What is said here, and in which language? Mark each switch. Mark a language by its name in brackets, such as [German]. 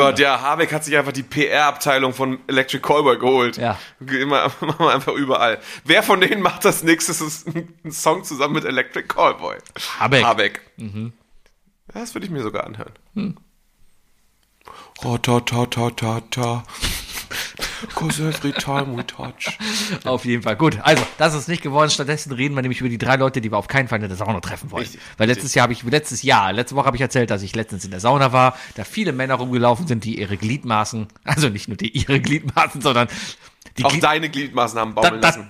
[German] Oh Gott, ja, Habeck hat sich einfach die PR-Abteilung von Electric Callboy geholt. Ja. Machen wir einfach überall. Wer von denen macht das nächstes ein Song zusammen mit Electric Callboy? Habeck. Mhm. Das würde ich mir sogar anhören. Ta-ta-ta-ta-ta. [English] Because every time we touch. [German] Auf jeden Fall. Gut, also, das ist nicht geworden. Stattdessen reden wir nämlich über die drei Leute, die wir auf keinen Fall in der Sauna treffen wollen. Richtig. Weil letzte Woche habe ich erzählt, dass ich letztens in der Sauna war, da viele Männer rumgelaufen sind, die ihre Gliedmaßen, also nicht nur ihre Gliedmaßen, sondern die auch deine Gliedmaßen haben baumeln lassen.